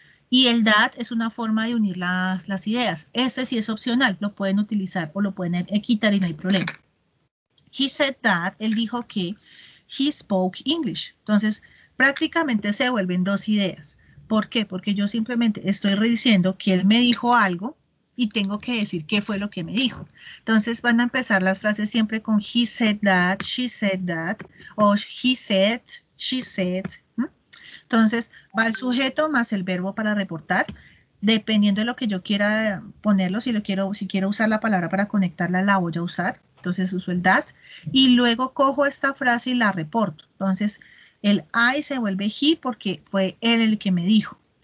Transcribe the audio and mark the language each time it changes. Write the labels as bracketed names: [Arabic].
[Spanish] Y el that es una forma de unir las ideas. Ese sí es opcional, lo pueden utilizar o lo pueden quitar y no hay problema. [English] He said that, [Spanish] él dijo que [English] he spoke English. [Spanish] Entonces, prácticamente se vuelven dos ideas. ¿Por qué? Porque yo simplemente estoy rediciendo que él me dijo algo y tengo que decir qué fue lo que me dijo. Entonces, van a empezar las frases siempre con [English] he said that, she said that, [Spanish] o [English] he said, she said. [Spanish] Entonces, va el sujeto más el verbo para reportar, dependiendo de lo que yo quiera ponerlo, si quiero usar la palabra para conectarla, la voy a usar. Entonces, uso el that. Y luego cojo esta frase y la reporto. Entonces, el I se vuelve he porque fue él el que me dijo.